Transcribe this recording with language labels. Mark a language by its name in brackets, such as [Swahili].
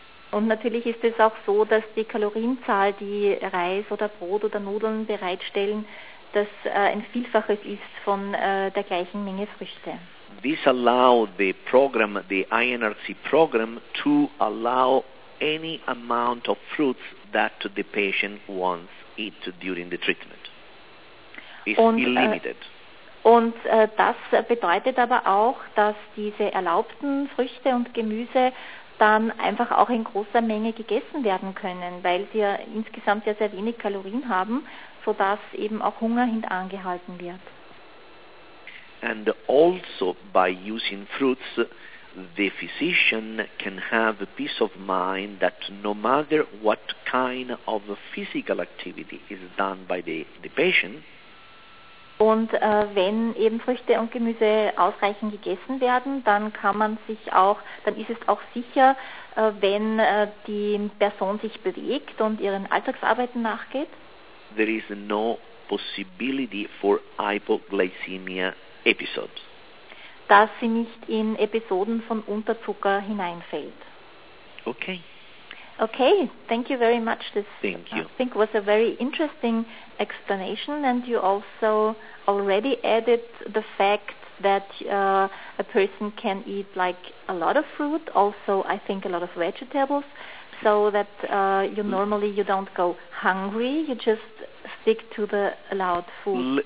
[German] Und natürlich ist es auch so, dass die Kalorienzahl, die Reis oder Brot oder Nudeln bereitstellen, das ein Vielfaches ist von der gleichen Menge Früchte. [English] This allow the program, the INRC program, to allow any amount of fruits that the patient wants eat during the treatment. It's unlimited. [German] Und das bedeutet aber auch, dass diese erlaubten Früchte und Gemüse dann einfach auch in großer Menge gegessen werden können, weil sie ja insgesamt ja sehr wenig Kalorien haben, sodass eben auch Hunger hintangehalten wird. [English] And also by using fruits, the physician can have a peace of mind that no matter what kind of physical activity is done by the patient. [German] Und wenn eben Früchte und Gemüse ausreichend gegessen werden, dann kann man sich auch, dann ist es auch sicher, wenn die Person sich bewegt und ihren Alltagsarbeiten nachgeht. [English] There is no possibility for hypoglycemia episodes. [German] Dass sie nicht in Episoden von Unterzucker hineinfällt. [English] Okay. Okay, thank you very much. This, thank you. I think was a very interesting explanation, and you also already added the fact that a person can eat like a lot of fruit, also I think a lot of vegetables, so that you don't go hungry, you just stick to the allowed food.